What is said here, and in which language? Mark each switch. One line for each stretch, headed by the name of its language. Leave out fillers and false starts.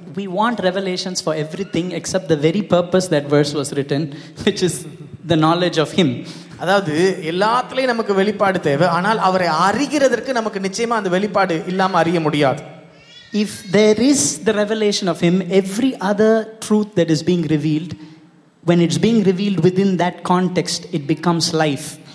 English: We want revelations for everything except the very purpose that verse was written, which is the knowledge of him.
Tamil: அதாவது எல்லாத்துலேயும் நமக்கு வெளிப்பாடு தேவை, ஆனால் அவரை அறிகிறதற்கு நமக்கு நிச்சயமா அந்த வெளிப்பாடு இல்லாம அறிய முடியாது.
English: If there is the revelation of him, every other truth that is being revealed, when it's being revealed within that context, it becomes life.